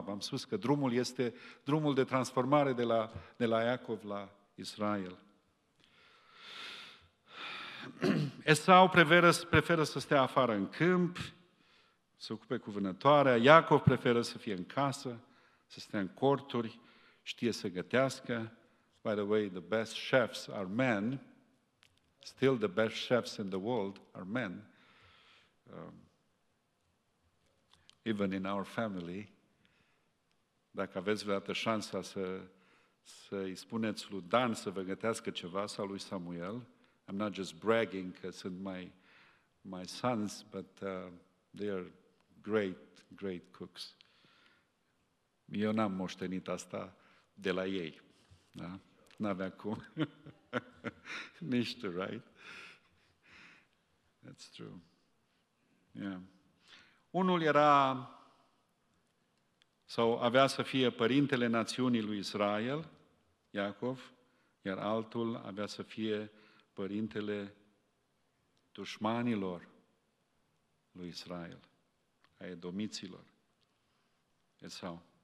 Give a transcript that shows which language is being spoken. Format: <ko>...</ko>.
<ro>V-am spus că drumul este drumul de transformare de la Iacov la Israel. Esau preferă să stea afară în câmp, să ocupe cu vânătoarea. Iacov preferă să fie în casă, să stea în corturi, știe să gătească.</ro> <en>By the way, the best chefs are men. Still the best chefs in the world are men. Even in our family,</en> <ro>dacă aveți vreodată șansa să, să-i spuneți lui Dan să vă gătească ceva, sau lui Samuel.</ro> <en>I'm not just bragging,</en> <ro>că sunt</ro> <en>my sons, but they are great, great cooks.</en> <ro>Eu n-am moștenit asta de la ei, da? N-avea cum. Nici tu,</ro> <en>right? That's true. Yeah.</en> <ro>Unul era, sau avea să fie părintele națiunii lui Israel, Iacov, iar altul avea să fie părintele dușmanilor lui Israel, a edomiților. Esau.</ro>